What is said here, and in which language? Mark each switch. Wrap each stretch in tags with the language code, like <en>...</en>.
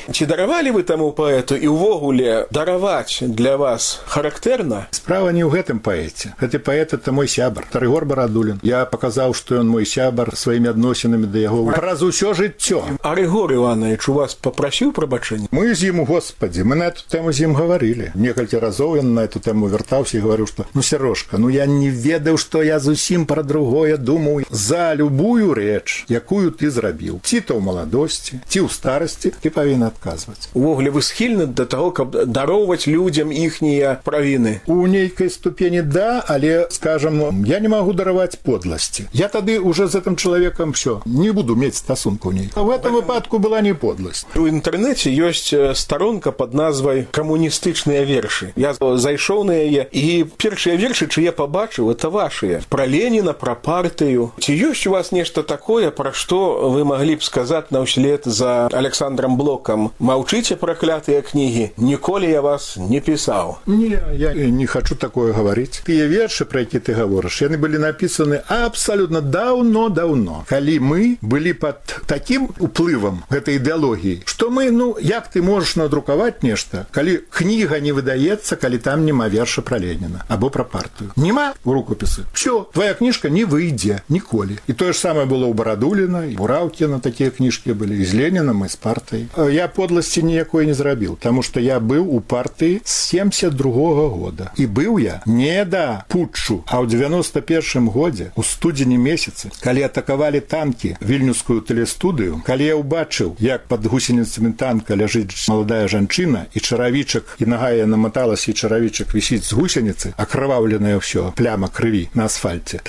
<be>Ці даравалі вы таму паэту і ўвогуле дараваць для вас характэрна? Справа не ў гэтым паэце. Гэты паэт это мой сябар, Тарыгор Барадулін. Я паказаў, што ён мой сябар сваімі адносінамі да яго праз усё жыццё. Арыгор Іванавіч, у вас папрасіў прабачэння? Мы з ім, Господі, мы</be> <ru>на эту тэму</ru> <be>з ім гаварылі. Некалькі разоў ён на эту тэму вяртаўся і гаварыў, што ну Серожка, ну я не ведаў, што я зусім пра другое думаў. За любую рэч, якую ты зрабіў, ці то ў маладосці, ці ў старасці, ты павінен адказваць. Увогуле вы схільны да таго, каб дароўваць людзям іхнія правіны? У нейкай ступені да, але, скажам, я не магу дараваць подласці. Я тады уже з гэтым чалавекам всё, не буду мець стасунку ў ней. А ў гэтым выпадку была не подласць. У інтэрнэце ёсць старонка пад назвай «Камуністычныя вершы». Я зайшоў на яе, і першыя вершы, чые пабачыў, это вашыя. Пра Леніна, пра партыю. Ці ёсць у вас нешта такое, пра што вы маглі б сказаць на ўслед за Александрам Блокам? Маўчыце, праклятыя кнігі, ніколі я вас не пісаў.</be> <ru>Не, я не хочу такое говорить.</ru> <be>Тыя вершы, про які ты говорыш, яны былі напісаны абсолютно давно-давно. Калі мы былі пад таким уплывам гэтай ідэалогіі, што мы, ну, як ты можаш надрукаваць нешта, калі кніга не выдаецца, калі там нема верша пра Леніна або пра партыю. Нема ў рукапісы. Всё, твая кніжка не выйдзе ніколі. І тое ж самае было ў Барадуліна, і Бураўкіна такія кніжкі былі, і з Леніном, і з партыяй. Я подласці ніякой не зрабіў, таму што я быў у партыі з 72-го года. І быў я не да путчу, а ў 91-м годзе, у студзені месяцы, калі атакавалі танкі вільнюскую тэлестудыю, калі я ўбачыў, як пад гусеніцамі танка ляжыць маладая жанчына, і чаравічак, і нага я намоталася, і чаравічак вісіць з гусеніцы, акрываўленая ўсё, пляма крыві на асфальце.</be>